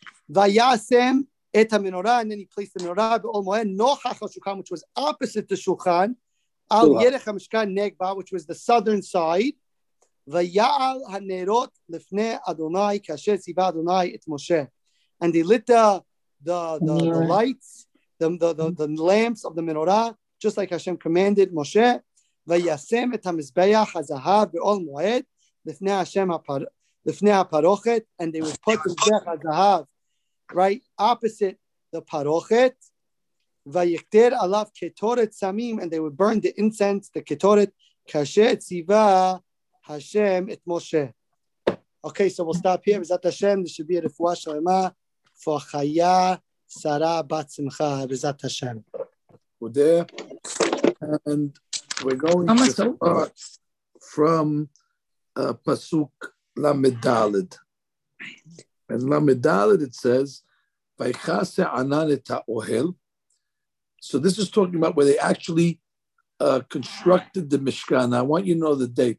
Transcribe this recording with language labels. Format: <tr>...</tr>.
<he>Vayasem et ha-menorah,</he> <en>and then he placed the menorah</en> <he>be'ol mo'en, nochach ha-shulchan,</he> <en>which was opposite the shulchan,</en> <he>al yerech ha-mishkan negba,</he> <en>which was the southern side.</en> <he>Vaya'al ha-nerot lefnei Adonai, kasher tziva Adonai et Moshe.</he> <en>And they lit the lights, the lamps of the menorah, just like Hashem commanded Moshe.</en> <he>ויישם את המזבח הזהב בעול מועד לפני השם לפני הפרוכת,</he> <en>and they would put the mizbeach hazahav right opposite the parochet.</en> <he>ויכתר עליו כתורת סמים,</he> <en>and they would burn the incense, the ketoret,</en> <he>כאשר ציווה השם את משה.</he> <en>Okay, so we'll stop here.</en> <he>בעזרת השם, זה שביא רפואה שלמה, for חיה שרה בת שמחה, בעזרת השם.</he> <en>And we're going to start from Pasuk Lamed Daled. And Lamed Daled, it says,</en> <he>Vaychase anan et ha'ohel.</he> <en>So this is talking about where they actually constructed the Mishkan. I want you to know the date.</en>